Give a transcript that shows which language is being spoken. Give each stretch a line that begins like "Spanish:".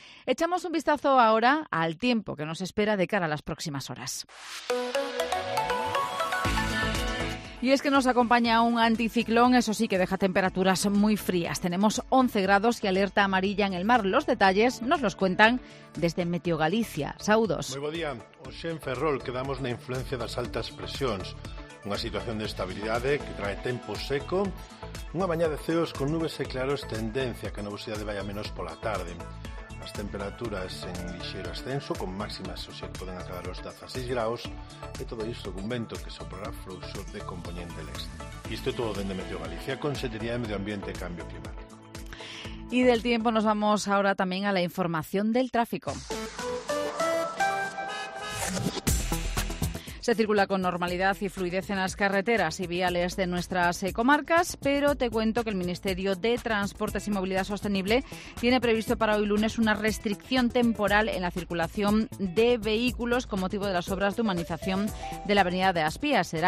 Spanish: Echamos un vistazo ahora al tiempo que nos espera de cara a las próximas horas. Y es que nos acompaña un anticiclón, eso sí, que deja temperaturas muy frías. Tenemos 11 grados y alerta amarilla en el mar. Los detalles nos los cuentan desde Meteo Galicia.
Galician: Saudos.
Spanish: Muy buen día.
Galician: Hoxe en Ferrol quedamos na influencia das altas presións. Unha situación de estabilidade que trae tempo seco. Unha mañá de ceos con nubes e claros tendencia que a nubosidade vai a menos pola tarde. As temperaturas en lixeiro ascenso, con máximas, o sea, que poden acabar os 16 graus, e todo isto cun vento que soprará fluxo de componente leste. Isto é todo dende Meteo Galicia, Consellería de Medio Ambiente e Cambio Climático. E del tempo nos vamos agora tamén á información del tráfico.
Spanish: Se circula con normalidad y fluidez en las carreteras y viales de nuestras comarcas, pero te cuento que el Ministerio de Transportes y Movilidad Sostenible tiene previsto para hoy lunes una restricción temporal en la circulación de vehículos con motivo de las obras de humanización de la avenida de Aspía.